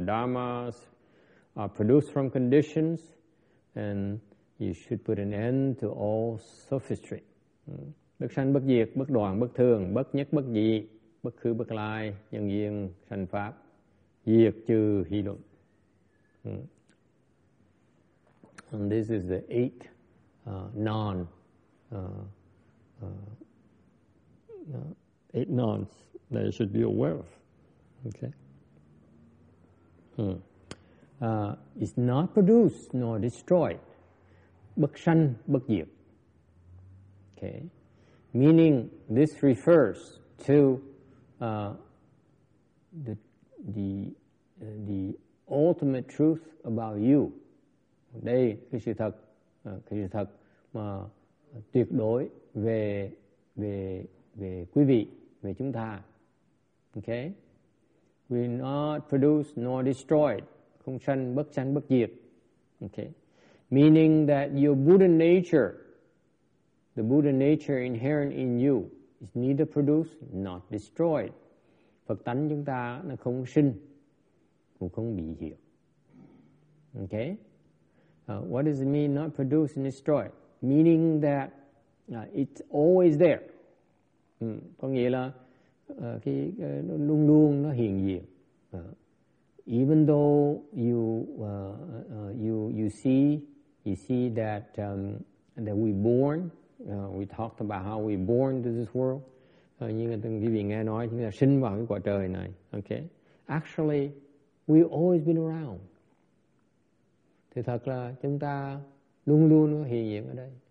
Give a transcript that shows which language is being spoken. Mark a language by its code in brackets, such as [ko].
[en] Dharmas are produced from conditions, and you should put an end to all sophistry. [vi] Bất sanh, bất diệt, bất đoạn, bất thường, bất nhất, bất dị, bất khứ, bất lai, nhân duyên, sanh pháp, diệt trừ hy luận. [en] And this is the eighth eight nons that you should be aware of. Okay. Is not produced nor destroyed. [vi] Bất sanh, bất diệt. [en] Okay. Meaning this refers to the ultimate truth about you. [vi] Đây cái sự thật, mà tuyệt đối về về về quý vị, về chúng ta. Okay? [en] We not produce nor destroyed. [vi] Không sanh, bất sanh, bất diệt. [en] Okay? Meaning that your Buddha nature, the Buddha nature inherent in you, is neither produced nor destroyed. [vi] Phật tánh chúng ta nó không sinh, cũng không bị diệt. [en] Okay? What does it mean not produced and destroyed? Meaning that it's always there. [vi] Có nghĩa là cái luôn luôn nó hiện diện. [en] Even though you see that that we born, we talked about how we born to this world. [vi] Như từng quý vị nghe nói chúng ta sinh vào cái quả trời này. Okay, [en] actually we always been around. [vi] Thì thật là chúng ta luôn luôn nó hiện diện ở đây.